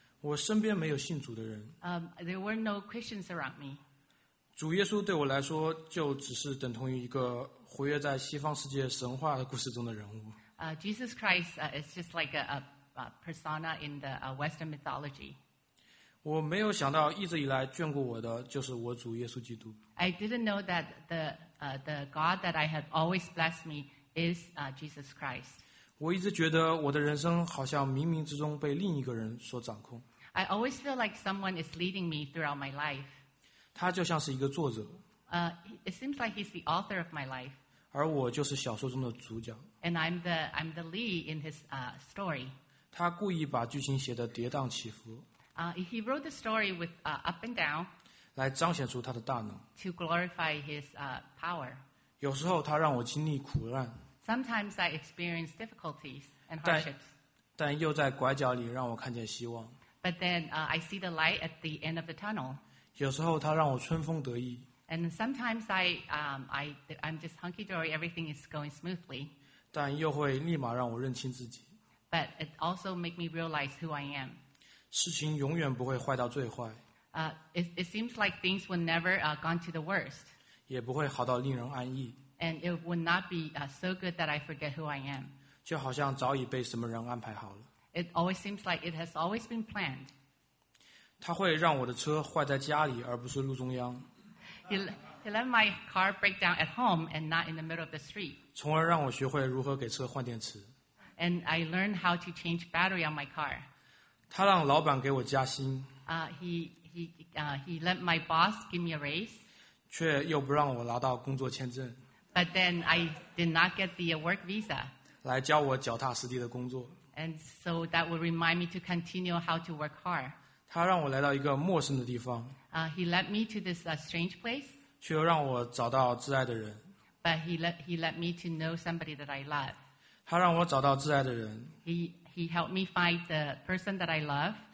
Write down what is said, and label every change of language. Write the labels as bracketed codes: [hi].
[zh] 我身边没有信主的人。 [en] There were no Christians around me. [zh] 主耶稣对我来说就只是等同于一个活跃在西方世界神话的故事中的人物。 [en] Jesus Christ is just like a persona in the Western mythology. [zh] 我没有想到一直以来眷顾我的就是我主耶稣基督。 [en] I didn't know that the God that I had always blessed me is Jesus Christ. [zh] 我一直觉得我的人生好像冥冥之中被另一个人所掌控。 [en] I always feel like someone is leading me throughout my life. [zh] 他就像是一个作者。 [en] It seems like he's the author of my life. [zh] 而我就是小说中的主角。 [en] And I'm the lead in his story. [zh] 他故意把剧情写得跌宕起伏。 [en] He wrote the story with up and down [zh] 来彰显出他的大能 [en] to glorify his power. [zh] 有时候他让我经历苦难 [en] Sometimes I experience difficulties and hardships. [zh] 但又在拐角里让我看见希望 [en] But then I see the light at the end of the tunnel. [zh] 有时候他让我春风得意 [en] And sometimes I'm just hunky-dory, everything is going smoothly. [zh] 但又会立马让我认清自己 [en] But it also makes me realize who I am. [zh] 事情永远不会坏到最坏。 [en] It seems like things would never gone to the worst. [zh] 也不会好到令人安逸。 [en] And it would not be so good that I forget who I am. [zh] 就好像早已被什么人安排好了。 [en] It always seems like it has always been planned. [zh] 他会让我的车坏在家里而不是路中央。 [en] He let my car break down at home and not in the middle of the street. [zh] 从而让我学会如何给车换电池。 [en] And I learned how to change battery on my car. [zh] 他让老板给我加薪。 [en] He he let my boss give me a raise. [zh] 却又不让我拿到工作签证。 [en] But then I did not get the work visa. [zh] 来教我脚踏实地的工作。 [en] And so that will remind me to continue how to work hard. [zh] 他让我来到一个陌生的地方。 [en] He led me to this strange place. [zh] 却又让我找到挚爱的人。 [en] But he let me to know somebody that I love. [zh] 他让我找到挚爱的人。 [en] He helped me find the person that I love.